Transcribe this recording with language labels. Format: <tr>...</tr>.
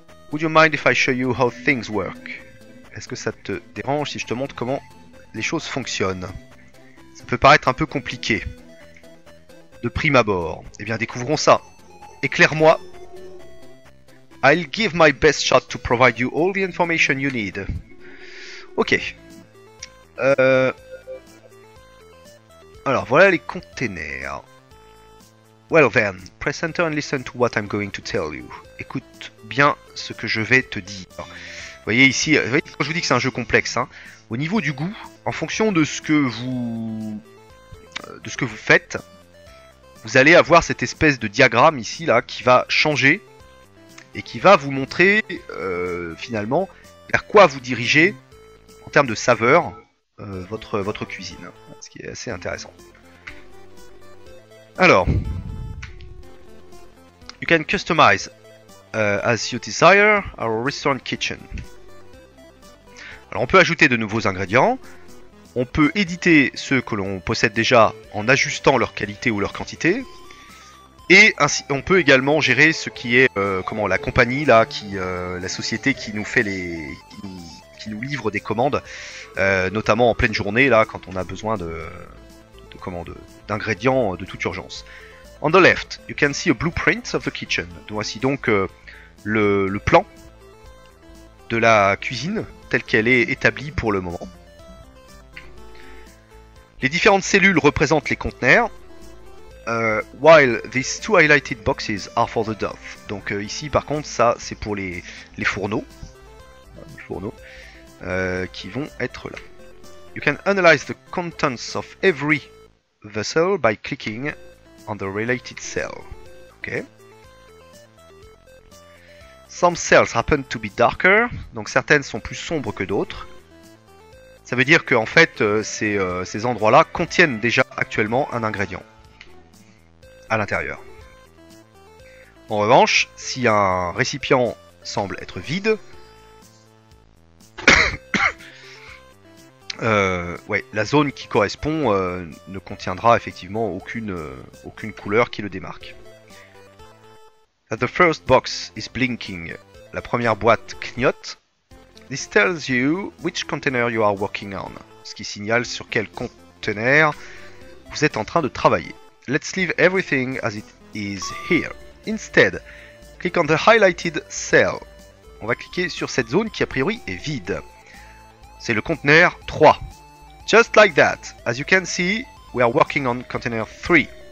<en>Would you mind if I show you how things work?</en> <fr>Est-ce que ça te dérange si je te montre comment les choses fonctionnent? Ça peut paraître un peu compliqué. De prime abord. Eh bien, découvrons ça. Éclaire-moi.</fr> <en>I'll give my best shot to provide you all the information you need. Ok.</en> <fr>Alors voilà les containers.</fr> <en>Well then, press enter and listen to what I'm going to tell you.</en> <fr>Écoute bien ce que je vais te dire. Vous voyez ici, vous voyez, quand je vous dis que c'est un jeu complexe, hein, au niveau du goût, en fonction de ce que vous faites, vous allez avoir cette espèce de diagramme ici là qui va changer et qui va vous montrer finalement vers quoi vous diriger en termes de saveur. Votre cuisine, ce qui est assez intéressant.</fr> <en>Alors, you can customize as you desire our restaurant kitchen.</en> <fr>Alors, on peut ajouter de nouveaux ingrédients, on peut éditer ceux que l'on possède déjà en ajustant leur qualité ou leur quantité, et ainsi, on peut également gérer ce qui est comment la compagnie là, la société qui nous fait les qui nous livre des commandes, notamment en pleine journée, là, quand on a besoin de commandes d'ingrédients de toute urgence.</fr> <en>On the left, you can see a blueprint of the kitchen.</en> <fr>Voici donc le plan de la cuisine telle qu'elle est établie pour le moment. Les différentes cellules représentent les conteneurs.</fr> <en>While these two highlighted boxes are for the dove.</en> <fr>Donc ici, par contre, ça, c'est pour les fourneaux. Les fourneaux. Qui vont être là.</fr> <en>You can analyze the contents of every vessel by clicking on the related cell. Ok. Some cells happen to be darker,</en> <fr>donc certaines sont plus sombres que d'autres. Ça veut dire que en fait, ces endroits-là contiennent déjà actuellement un ingrédient à l'intérieur. En revanche, si un récipient semble être vide, ouais, la zone qui correspond ne contiendra effectivement aucune couleur qui le démarque.</fr> <en>The first box is blinking.</en> <fr>La première boîte clignote.</fr> <en>This tells you which container you are working on.</en> <fr>Ce qui signale sur quel conteneur vous êtes en train de travailler.</fr> <en>Let's leave everything as it is here. Instead, click on the highlighted cell.</en> <fr>On va cliquer sur cette zone qui a priori est vide. C'est le conteneur 3.</fr> <en>Just like that, as you can see, we are working on container 3.</en>